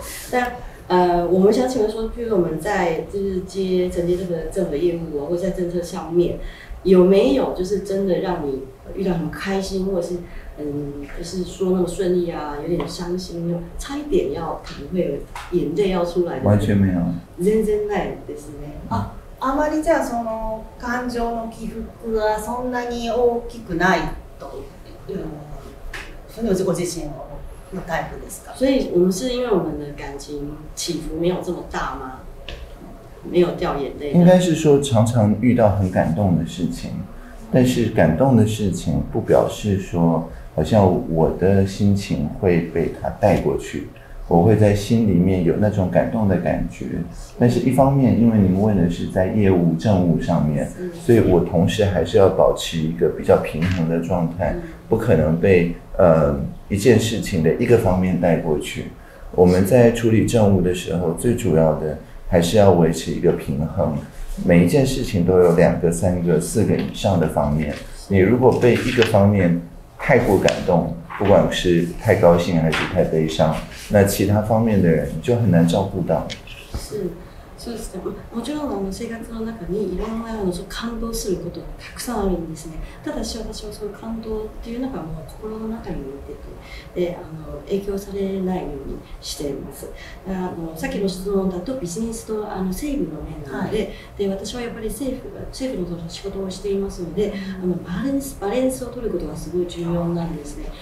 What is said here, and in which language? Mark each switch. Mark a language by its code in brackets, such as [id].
[zh] 但我们想请问说，譬如我们在就是承接这个政府业务或在政策上面，有没有就是真的让你遇到很开心，或者是就是说那么顺利啊，有点伤心，差一点要可能会有眼泪要出来的？完全没有。 [ja] 全然ないですね。あまりじゃあその感情の起伏はそんなに大きくないというふうにご自身のタイプですか。 [zh] 所以我们是因为我们的感情起伏没有这么大吗？没有掉眼泪。应该是说常常遇到很感动的事情，但是感动的事情不表示说好像我的心情会被它带过去。我会在心里面有那种感动的感觉，但是一方面因为您问的是在业务政务上面，所以我同时还是要保持一个比较平衡的状态，不可能被一件事情的一个方面带过去。我们在处理政务的时候，最主要的还是要维持一个平衡，每一件事情都有两个三个四个以上的方面，你如果被一个方面太过感动，不管是太高兴还是太悲伤，那其他方面的人就很难照顾到。 [ja] 是，そうですね。もちろん生活の中にいろんなその感動することがたくさんあるんですね。ただし私はその感動っていうのがもう心の中に入ってて、で影響されないようにしています。さっきの質問だとビジネスと政務の面なので、で私はやっぱり政府の仕事をしていますので、バランスを取ることがすごい重要なんですね。